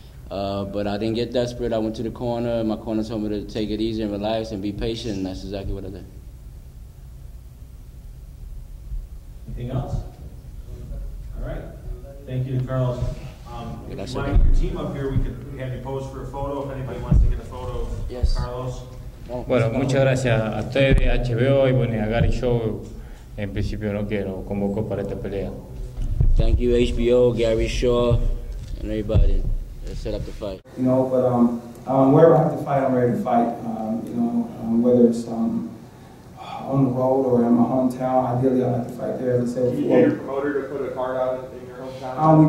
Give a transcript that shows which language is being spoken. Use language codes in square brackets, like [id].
[en] But I didn't get desperate, I went to the corner, my corner told me to take it easy and relax and be patient, and that's exactly what I did. Anything else? All right. Thank you, Carlos. Mind your team up here. We could have you pose for a photo if anybody wants to get a photo of yes. Carlos. [es] Bueno, muchas gracias a ustedes, HBO y bueno, a Gary Show. En principio no quiero convocó para esta pelea. [en] Thank you, HBO, Gary Show, and everybody that set up the fight. You know, but wherever I have to fight, I'm ready to fight. Whether it's on the road or in my hometown, ideally I'd like to fight there. Can you get your promoter to put a card out in your hometown?